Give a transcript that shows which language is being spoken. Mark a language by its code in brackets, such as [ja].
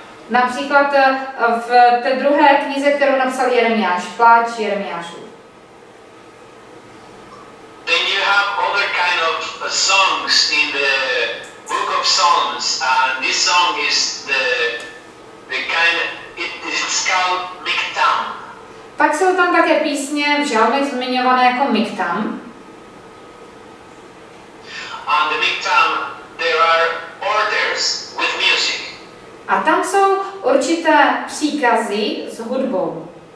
[cs] Například v té druhé knize, kterou napsal Jeremiáš, Pláč Jeremiášů. [en] Then you have other kind of songs in the Book of Psalms, and this song is the kind it's called Miktam. [cs] Pak jsou tam také písně v žalmech zmiňované jako Miktam. [en] And the Miktam there are orders with music. [cs] A tam jsou určité příkazy s hudbou.